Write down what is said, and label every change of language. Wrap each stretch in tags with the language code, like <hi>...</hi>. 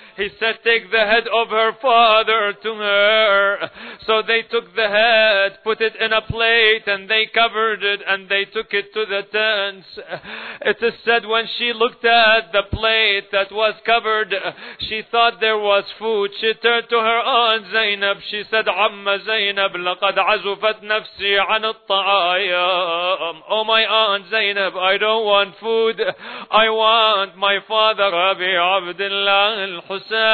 <en>He said, take the head of her father to her. So they took the head, put it in a plate, and they covered it, and they took it to the tents. It is said when she looked at the plate that was covered, she thought there was food. She turned to her aunt Zainab. She said,</en> <ar>Amma Zainab, لقد عزفت نفسي عن الطعام.</ar> <en>Oh my aunt Zainab, I don't want food. I want my father Abi Abdullah al-Husayn.</en>